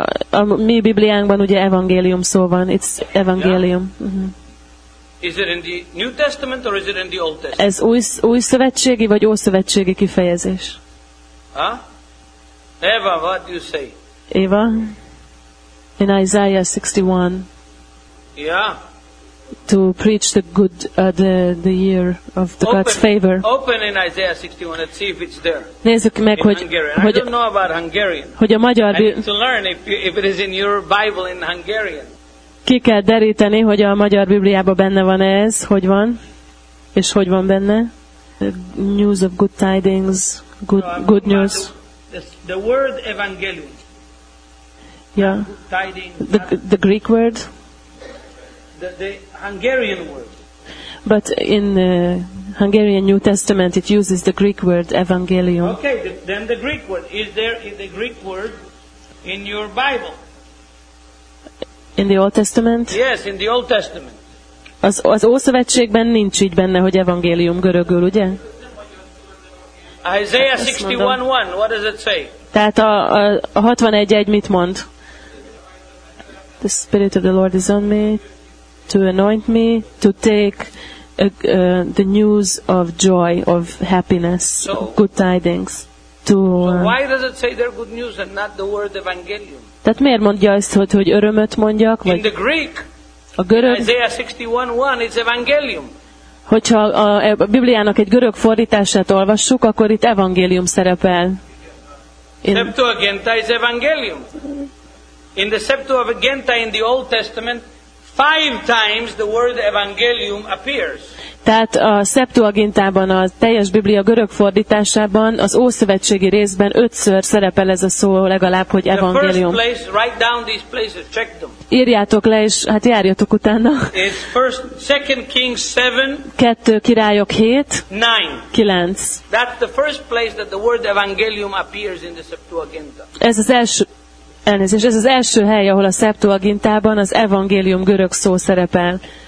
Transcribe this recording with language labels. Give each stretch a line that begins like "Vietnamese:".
Hungarian: A mi Bibliánkban ugye evangélium szó van.
English: It's evangélium. Yeah. Uh-huh. Is it in the New Testament or is it in the Old Testament?
Hungarian: Ez új szövetségi vagy ószövetségi kifejezés?
English: Huh? Eva, what do you say? Eva? In Isaiah 61. Yeah. To preach the good the year of the open, God's favor. Open in Isaiah 61. Let's see if it's there.
Hungarian: Nézzük meg,
English: in
Hungarian: hogy
English: I don't know about Hungarian.
Hungarian: Hogy a magyar.
English: I need to learn if it is in your Bible in Hungarian.
Hungarian: Ki kell deríteni, hogy a magyar Bibliában benne van ez, hogy van, és hogy van benne?
English: News of good tidings, good news. The word evangelium. Yeah. Tidings, the Greek word. The Hungarian word. But in the Hungarian New Testament, it uses the Greek word evangelium. Okay, then the Greek word. Is there the Greek word in your Bible? In the Old Testament? Yes, in the Old Testament.
Hungarian: Az Ószövetségben nincs így benne, hogy evangélium görögül, ugye?
English: Isaiah 61:1. What does it say?
Hungarian: Tehát a 61:1 mit mond?
English: The Spirit of the Lord is on me. To anoint me, to take the news of joy, of happiness, so, good tidings. So why does it say they're good news and not the word evangelium?
Hungarian: Tehát miért mondja ezt, hogy örömöt mondjak?
English: In the Greek,
Hungarian: a görög,
English: in Isaiah 61:1, it's evangelium.
Hungarian: Hogyha a Bibliának egy görög fordítását olvassuk, akkor itt evangélium szerepel.
English: Septuaginta is evangelium. In the Septuaginta in the Old Testament, 5 times the word evangelium appears.
Hungarian: Tehát a Septuagintában, a teljes Biblia görög fordításában, az Ószövetségi részben 5-ször szerepel ez a szó legalább, hogy evangélium.
English: Place, write down these places, check them.
Hungarian: Írjátok le, és hát járjatok utána.
English: It's first, second Kings 7,
Hungarian: 2 Királyok 7, 9.
English: That's the first place that the word evangelium appears in the Septuaginta.
Hungarian: Ez az első. Elnézést, ez az első hely, ahol a Septuagintában az evangélium görög szó szerepel.